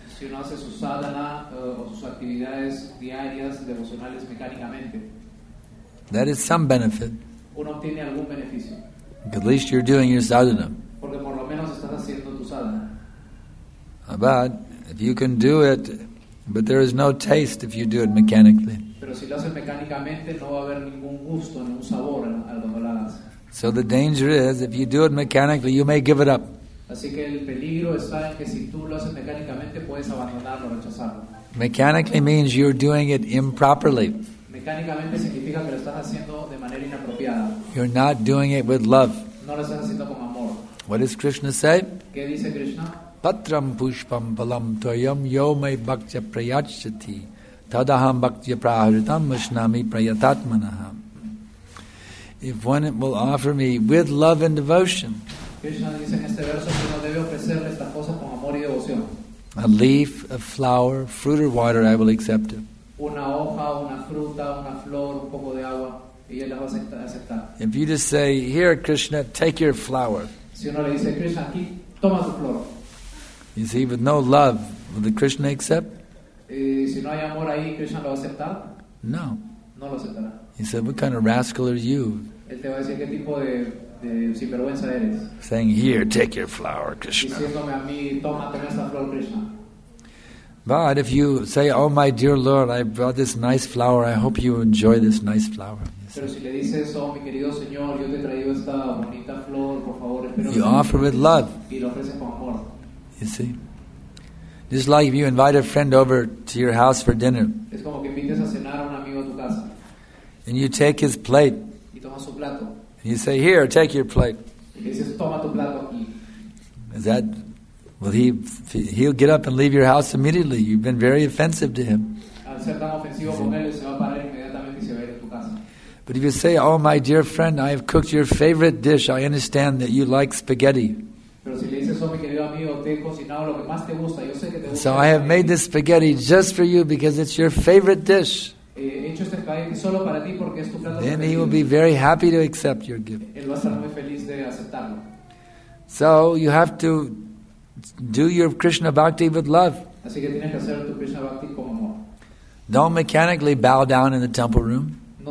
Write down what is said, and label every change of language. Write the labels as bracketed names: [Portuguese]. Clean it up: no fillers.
[Spanish] si uno hace su sadhana o sus actividades diarias devocionales mecánicamente, [English] that is some benefit. [Spanish] Uno obtiene algún beneficio. [English] At least you're doing your sadhana. [Spanish] Porque por lo menos estás haciendo tu sadhana. [English] But if you can do it, but there is no taste if you do it mechanically. [Spanish] Pero si lo haces mecánicamente, no va a haber ningún gusto, ningún sabor a lo que lo hagas. [English] So the danger is, if you do it mechanically, you may give it up. [Spanish] Así que el peligro está en que si tú lo haces mecánicamente, puedes abandonarlo, rechazarlo. [English] Mechanically means you're doing it improperly. [Spanish] Mecánicamente significa que lo estás haciendo de manera inapropiada. [English] You're not doing it with love. [Spanish] No lo estás haciendo con amor. [English] What does Krishna say? [Spanish] ¿Qué dice Krishna? [Sanskrit] Patram pushpam palam toyam yo me bhakti prayachati tadaham bhakti praharitam mushnami prayatatmanaha. [English] If one will offer me with love and devotion, [Spanish] Krishna dice en este verso que uno debe ofrecerle estas cosas con amor y devoción. [English] A leaf, a flower, fruit or water, I will accept it. [Spanish] Una hoja, una fruta, una flor, un poco de agua, y él la va a aceptar. [English] If you just say, here Krishna, take your flower. [Spanish] Si uno le dice, Krishna, aquí, toma su flor. [English] You see, with no love, will the Krishna accept? [Spanish] Si no hay amor ahí, ¿Krishna lo va a aceptar? [English] No. [Spanish] No lo aceptará. [English] He said, what kind of rascal are you? [Spanish] Él te va a decir, ¿qué tipo de sinvergüenza eres? [English] Saying, here, take your flower, Krishna. [Spanish] Diciéndome a mí, toma, ten esta flor, Krishna. [English] But if you say, oh my dear Lord, I brought this nice flower, I hope you enjoy this nice flower. [Spanish] Pero si le dices, oh mi querido Señor, yo te he traído esta bonita flor, por favor, espero. [English] You offer with love. [Spanish] Y lo ofreces con amor. [English] You see, just like if you invite a friend over to your house for dinner, [Spanish] es como que invites a cenar a un amigo a tu casa, [English] and you take his plate, [Spanish] y toma su plato, [English] and you say, here, take your plate. [Spanish] Y dices, toma tu plato aquí. [English] Is that, well, he'll get up and leave your house immediately. You've been very offensive to him. [Spanish] Al ser tan ofensivo con él, se va a parar inmediatamente y se va a ir a tu casa. [English] But if you say, oh, my dear friend, I have cooked your favorite dish. I understand that you like spaghetti. [Spanish] Pero si le dices, oh, mi querido amigo, te he cocinado lo que más te gusta. Yo sé que te gusta. [English] So I have made this spaghetti just for you because it's your favorite dish. [Spanish] Hecho este spaghetti solo para ti porque es tu plato preferido. [English] Then he will be very happy to accept your gift. [Spanish] Él va a estar muy feliz de aceptarlo. [English] So you have to do your Krishna bhakti with love. [Spanish] Así que tienes que hacer tu Krishna bhakti con amor. [English] Don't mechanically bow down in the temple room.